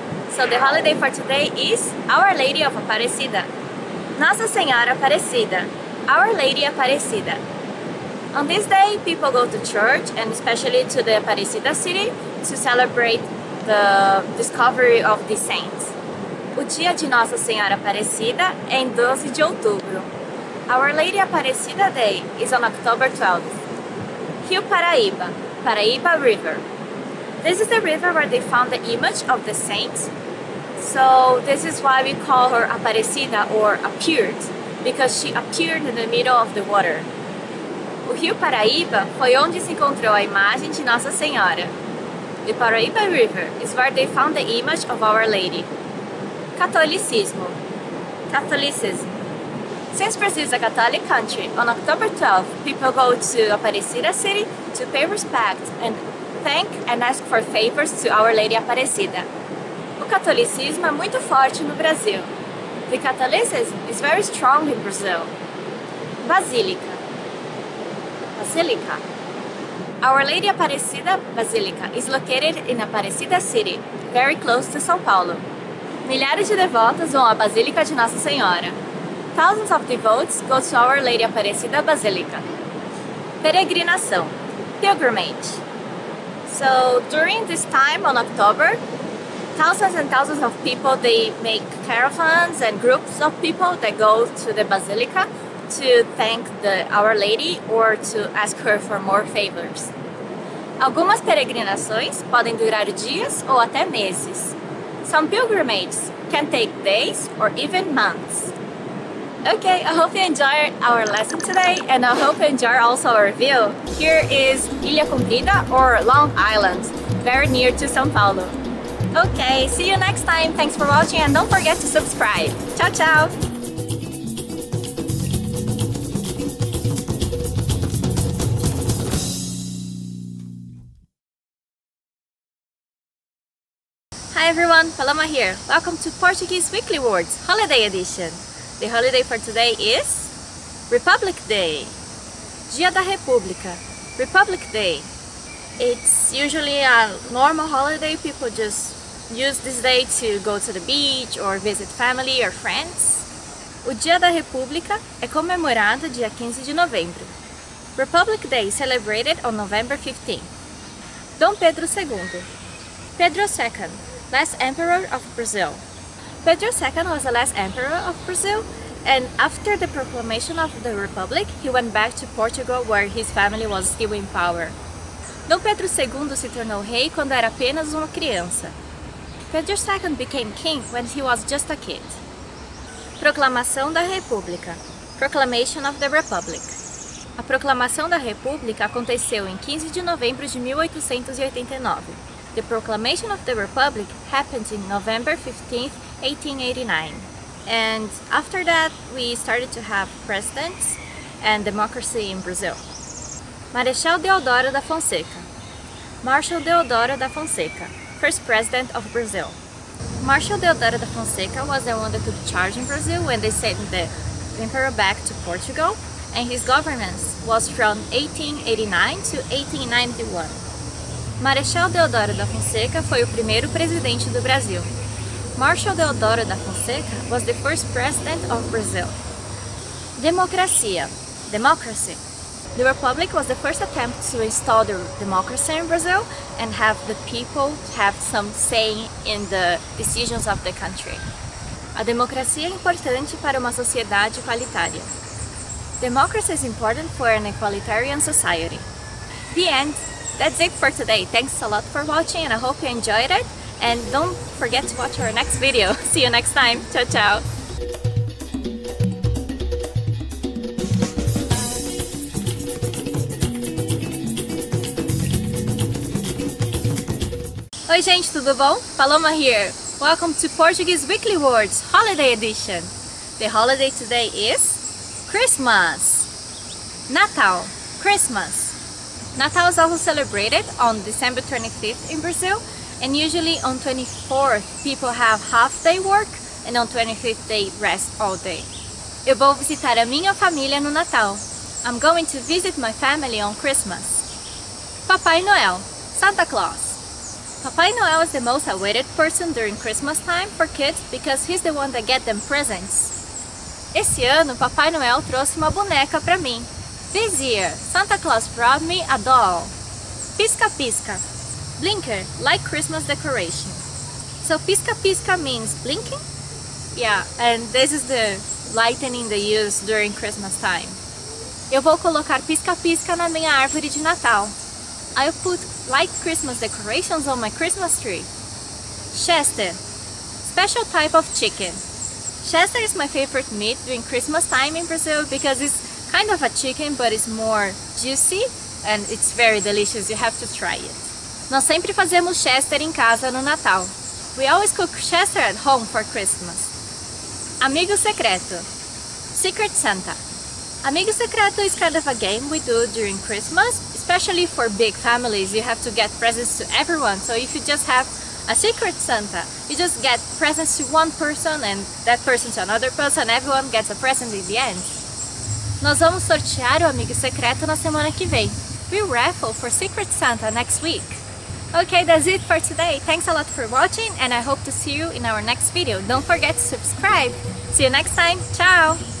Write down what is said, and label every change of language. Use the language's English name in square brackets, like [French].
[English] So the holiday for today is Our Lady of Aparecida. [Portuguese] Nossa Senhora Aparecida. Our Lady Aparecida. [English] On this day, people go to church and especially to the Aparecida city to celebrate the discovery of the saints. [Portuguese] O dia de Nossa Senhora Aparecida é em 12 de outubro. [English] Our Lady Aparecida Day is on October 12th. Rio Paraíba. Paraíba River. This is the river where they found the image of the saint. So this is why we call her Aparecida or appeared, because she appeared in the middle of the water. [Portuguese] O Rio Paraíba foi onde se encontrou a imagem de Nossa Senhora. [English] The Paraíba River is where they found the image of Our Lady. Catolicismo. Catholicism. Since Brazil is a Catholic country, on October 12th, people go to Aparecida City to pay respect and thank and ask for favors to Our Lady Aparecida. [Portuguese] O catolicismo é muito forte no Brasil. [English] The Catholicism is very strong in Brazil. [Portuguese] Basílica. Basílica. [English] Our Lady Aparecida Basílica is located in Aparecida City, very close to São Paulo. [Portuguese] Milhares de devotas vão à Basílica de Nossa Senhora. [English] thousands of devotees go to Our Lady Aparecida Basilica. [Portuguese] Peregrinação, pilgrimage. [English] So during this time on October, thousands and thousands of people, they make caravans and groups of people that go to the Basilica to thank the Our Lady or to ask her for more favors. [Portuguese] Algumas peregrinações podem durar dias ou até meses. [English] Some pilgrimages can take days or even months. Okay, I hope you enjoyed our lesson today, and I hope you enjoy also our view. Here is Ilha Comprida, or Long Island, very near to São Paulo. Okay, see you next time. Thanks for watching, and don't forget to subscribe. Ciao, ciao! Hi everyone, Paloma here. Welcome to Portuguese Weekly Words, Holiday Edition. The holiday for today is Republic Day. Dia da República, Republic Day. It's usually a normal holiday. People just use this day to go to the beach or visit family or friends. [Portuguese] O Dia da República é comemorado dia 15 de novembro. [English] Republic Day is celebrated on November 15. Dom Pedro II. Pedro II, last emperor of Brazil. Pedro II was the last emperor of Brazil, and after the proclamation of the Republic, he went back to Portugal, where his family was still in power. [Portuguese] Dom Pedro II se tornou rei quando era apenas uma criança. [English] Pedro II became king when he was just a kid. Proclamação da República, Proclamation of the Republic. [Portuguese] A Proclamação da República aconteceu em 15 de novembro de 1889. [English] The Proclamation of the Republic happened in November 15th, 1889. And after that, we started to have presidents and democracy in Brazil. Marechal Deodoro da Fonseca. Marshal Deodoro da Fonseca, first president of Brazil. Marshal Deodoro da Fonseca was the one that took charge in Brazil when they sent the emperor back to Portugal, and his governance was from 1889 to 1891. [Portuguese] Marechal Deodoro da Fonseca foi o primeiro presidente do Brasil. [English] Marshal Deodoro da Fonseca was the first president of Brazil. Democracia, democracy. The Republic was the first attempt to install the democracy in Brazil and have the people have some say in the decisions of the country. [Portuguese] A democracia é importante para uma sociedade igualitária. [English] Democracy is important for an egalitarian society. The end. That's it for today. Thanks a lot for watching, and I hope you enjoyed it. And don't forget to watch our next video. See you next time. Ciao, ciao. [Portuguese] Oi, gente, tudo bom? [English] Paloma here. Welcome to Portuguese Weekly Words, Holiday Edition. The holiday today is Christmas. Natal, Christmas. Natal is also celebrated on December 25th in Brazil, and usually on 24th people have half day work, and on 25th they rest all day. [Portuguese] Eu vou visitar a minha família no Natal. [English] I'm going to visit my family on Christmas. Papai Noel, Santa Claus. Papai Noel is the most awaited person during Christmas time for kids because he's the one that gets them presents. [Portuguese] Esse ano, Papai Noel trouxe uma boneca para mim. [English] This year, Santa Claus brought me a doll. Pisca pisca, blinker, like Christmas decoration. So pisca pisca means blinking? Yeah, and this is the lightning they use during Christmas time. [Portuguese] Eu vou colocar pisca pisca na minha árvore de Natal. [English] I'll put like Christmas decorations on my Christmas tree. Chester, special type of chicken. Chester is my favorite meat during Christmas time in Brazil because it's kind of a chicken, but it's more juicy and it's very delicious. You have to try it. [Portuguese] Nós sempre fazemos Chester em casa no Natal. [English] We always cook Chester at home for Christmas. Amigo secreto, Secret Santa. Amigo secreto is kind of a game we do during Christmas, especially for big families. You have to get presents to everyone. So if you just have a Secret Santa, you just get presents to one person and that person to another person. Everyone gets a present in the end. [Portuguese] Nós vamos sortear o Amigo Secreto na semana que vem. [English] We'll raffle for Secret Santa next week. Okay, that's it for today. Thanks a lot for watching, and I hope to see you in our next video. Don't forget to subscribe. See you next time. Ciao!